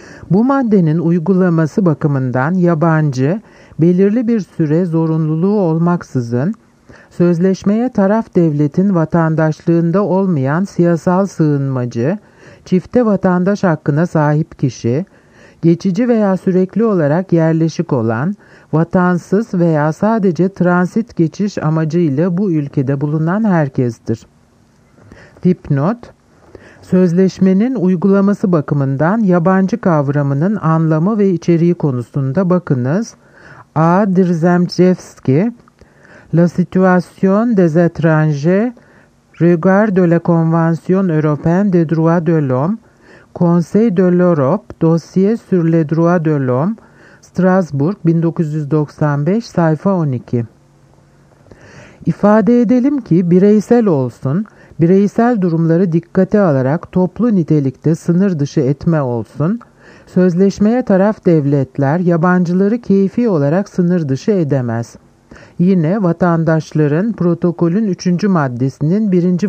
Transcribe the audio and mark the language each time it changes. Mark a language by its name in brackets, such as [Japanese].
[Turkish] Bu maddenin uygulaması bakımından yabancı, belirli bir süre zorunluluğu olmaksızın, sözleşmeye taraf devletin vatandaşlığında olmayan siyasal sığınmacı, çifte vatandaş hakkına sahip kişi, geçici veya sürekli olarak yerleşik olan, vatansız veya sadece transit geçiş amacıyla bu ülkede bulunan herkestir. Dipnot sözleşmenin uygulaması bakımından yabancı kavramının anlamı ve içeriği konusunda bakınız. A. [French] Dirzemcevski, La situation des étrangers, regard de la Convention européenne des droits de l'homme, Conseil de l'Europe, Dossier sur les droits de l'homme, Strasbourg 1995, sayfa 12. [Turkish] İfade edelim ki bireysel olsun, bireysel durumları dikkate alarak toplu nitelikte sınır dışı etme olsun, sözleşmeye taraf devletler yabancıları keyfi olarak sınır dışı edemez. Yine vatandaşların protokolün 3. maddesinin 1.